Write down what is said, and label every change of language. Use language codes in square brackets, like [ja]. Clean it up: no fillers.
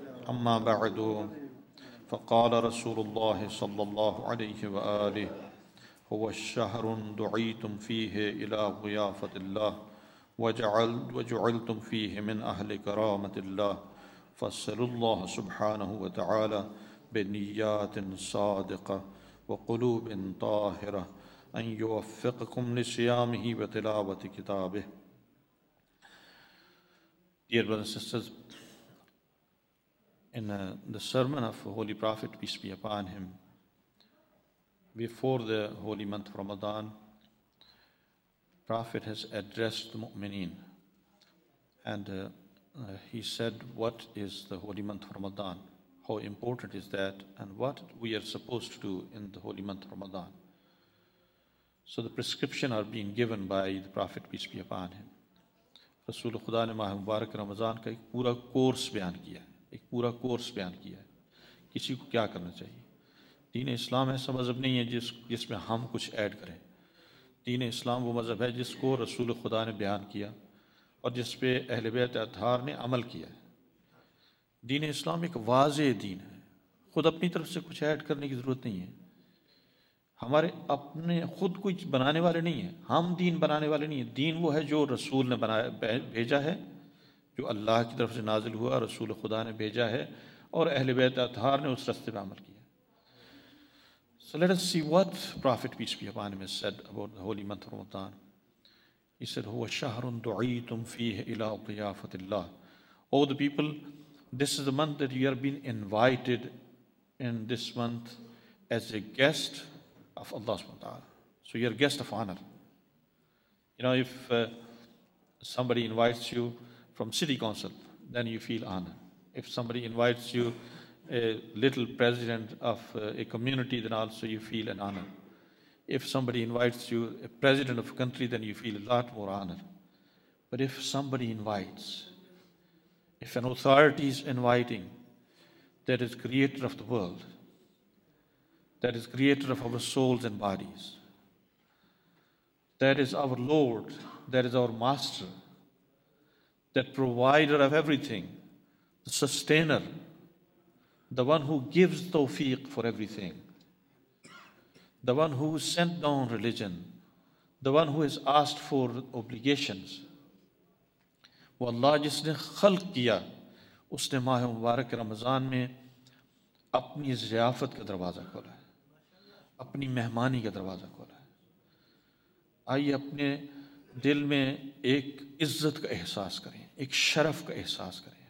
[ar] أما بعد, فقال رسول الله صلى الله عليه وآله: هو الشهر دعيتم فيه إلى ضيافة الله وجعلتم فيه من أهل كرامة الله, فاسألوا الله سبحانه وتعالى بنيات صادقة وقلوب طاهرة أن يوفقكم لصيامه وتلاوة كتابه. [en] Dear brothers and sisters, in the sermon of the Holy Prophet, peace be upon him, before the holy month of Ramadan, Prophet has addressed the mu'mineen, and he said, what is the holy month of Ramadan, how important is that, and what we are supposed to do in the holy month of Ramadan. So the prescription are being given by the Prophet, peace be upon him. [ur] رسول خدا نے ماہ مبارک رمضان کا ایک پورا course بیان کیا ہے, ایک پورا کورس بیان کیا ہے کسی کو کیا کرنا چاہیے. دین اسلام ایسا مذہب نہیں ہے جس میں ہم کچھ ایڈ کریں. دین اسلام وہ مذہب ہے جس کو رسول خدا نے بیان کیا اور جس پہ اہل بیت اطہار نے عمل کیا ہے. دین اسلام ایک واضح دین ہے, خود اپنی طرف سے کچھ ایڈ کرنے کی ضرورت نہیں ہے. ہمارے اپنے خود کوئی بنانے والے نہیں ہیں, ہم دین بنانے والے نہیں ہیں. دین وہ ہے جو رسول نے بنایا بھیجا ہے, جو اللہ کی طرف سے نازل ہوا, رسول خدا نے بھیجا ہے اور اہل بیت اطہار نے اس رستے پہ عمل کیا. [en] So let us see what Prophet peace be upon him has said about the holy month of Ramadan. He said, [ar] هو شهر دعيتم فيه الى ضيافة الله. [en] Oh the people, this is the month that you are being invited in this month as a guest of Allah subhanahu wa ta'ala. So you're a guest of honor. You know, if somebody invites you from city council, then you feel honor. If somebody invites you, a little president of a community, then also you feel an honor. If somebody invites you, a president of a country, then you feel a lot more honor. But if somebody invites, if an authority is inviting, that is creator of the world, that is creator of our souls and bodies, that is our Lord, that is our Master, that provider of everything, the sustainer, the one who gives tawfiq for everything, the one who sent down religion, the one who has asked for obligations. [ur] وہ اللہ جس نے خلق کیا اس نے ماہ مبارک رمضان میں اپنی ضیافت کا دروازہ کھولا ہے, اپنی مہمانی کا دروازہ کھولا ہے. آئیے اپنے دل میں ایک عزت کا احساس کریں, ایک شرف کا احساس کریں.